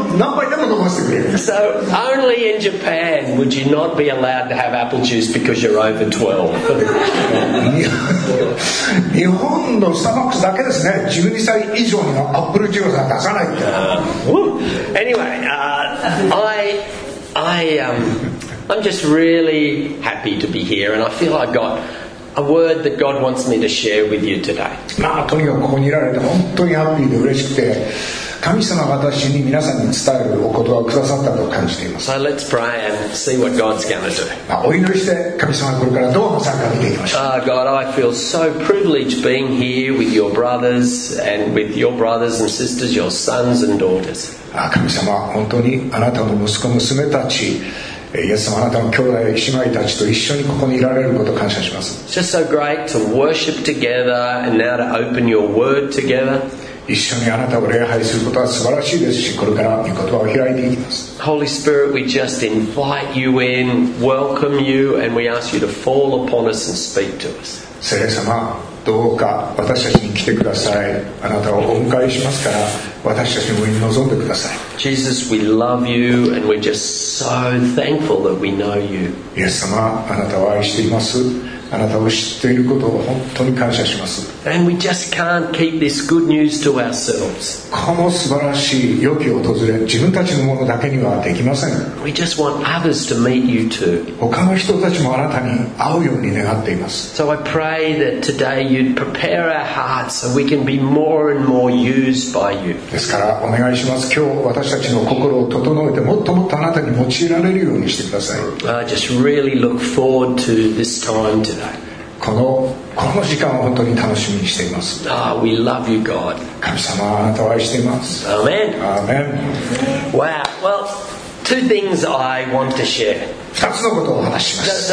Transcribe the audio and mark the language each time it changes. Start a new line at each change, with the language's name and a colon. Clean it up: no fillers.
English: So only in Japan would you not be allowed to have apple juice because you're over 12.
Japanese: 日本のスターバックスだけですね。 12歳以上にはアップルジュースは出さないって。
English: Anyway, I'm just really happy to be here, and I feel I got a word that God wants me to share with you today.
Japanese: まあとにかくここにいられて本当にハッピーで嬉しくて。神様が私に皆さんに伝えるお言葉をくださったと感じています。
English: So let's pray and see what God's going to do.
Japanese: お祈りして神様がこれからどうなさるか見ていきましょう。
English: God, I feel so privileged being here with your brothers and with your brothers and sisters, your sons and daughters.
Japanese: 神様、本当にあなたの息子娘たち、イエス様、あなたの兄弟姉妹たちと一緒にここにいられることを感謝します。
English: It's just so great to worship together and now to open your word together.
Japanese: 一緒にあなたを礼拝することは素晴らしいですし、これから御言葉を開いていきます。
English: Holy Spirit, we just invite you in, welcome you, and we ask you to fall upon us and speak to us.
Japanese: 聖霊様、どうか私たちに来てください。あなたをお迎えしますから、私たちの上に臨んでください。
English: Jesus, we love you, and we're just so thankful that we know you.
Japanese: イエス様、あなたを愛しています。あなたを知っていることを本当に感謝します。
English: And we just can't keep this good news to ourselves.
Japanese: この素晴らしい良き訪れ、自分たちのものだけにはできません。
English: We just want others to meet you too.
Japanese: 他の人たちもあなたに会うように願っています。
English: So I pray that today you'd prepare our hearts so we can be more and more used by you.
Japanese: ですからお願いします。今日私たちの心を整えてもっともっとあなたに用いられるようにしてください。
English: I just really look forward to this time today.
Japanese: この時間を本当に楽しみにしています。
English: Ah, we love you, God.
Japanese: 神様、あなたを愛しています。
English: Amen. Amen. Wow. Well, two things I want to share.
Japanese: 二つのことを話します。